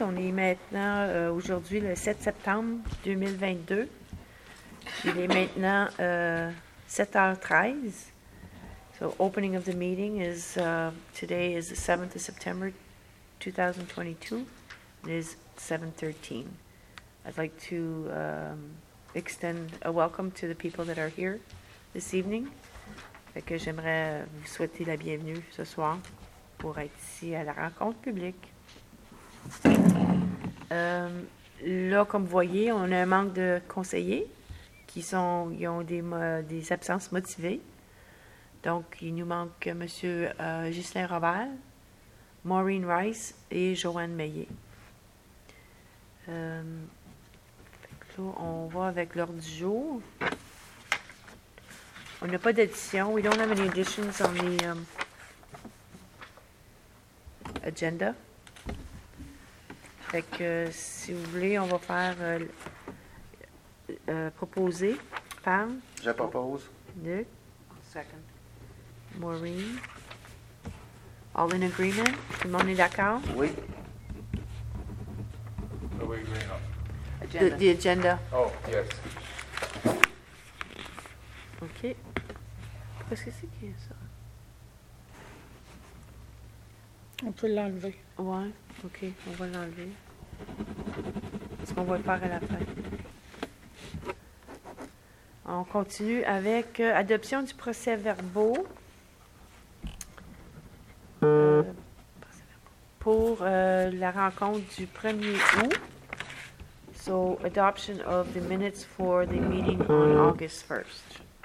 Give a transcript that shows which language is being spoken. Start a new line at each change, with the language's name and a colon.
French: On est maintenant aujourd'hui le 7 septembre 2022. Il est maintenant 7h13.
English: So opening of the meeting is today is the 7th of September 2022. It is 7:13. I'd like to extend a welcome to the people that are here this evening.
French: Fait que j'aimerais vous souhaiter la bienvenue ce soir pour être ici à la rencontre publique. Là, comme vous voyez, on a un manque de conseillers qui sont, ils ont des absences motivées. Donc, il nous manque M. Ghislain Robert, Maureen Rice et Joanne Meillet. Là, on va avec l'ordre du jour. On n'a pas d'addition.
English: We don't have any additions on the agenda.
French: Fait que, si vous voulez, on va faire proposer. Pam? Je propose. Luc?
English: Second.
French: Maureen?
English: All in agreement?
French: Tout le monde est d'accord? Oui.
English: What are we agreeing on? Agenda. The agenda. Oh, yes.
French: OK. Qu'est-ce que c'est qui est ça? On peut l'enlever. Ouais. OK. On va l'enlever. Est-ce qu'on va le faire à la fin? On continue avec adoption du procès-verbal pour la rencontre du 1er août.
English: So, adoption of the minutes for the meeting on August 1st.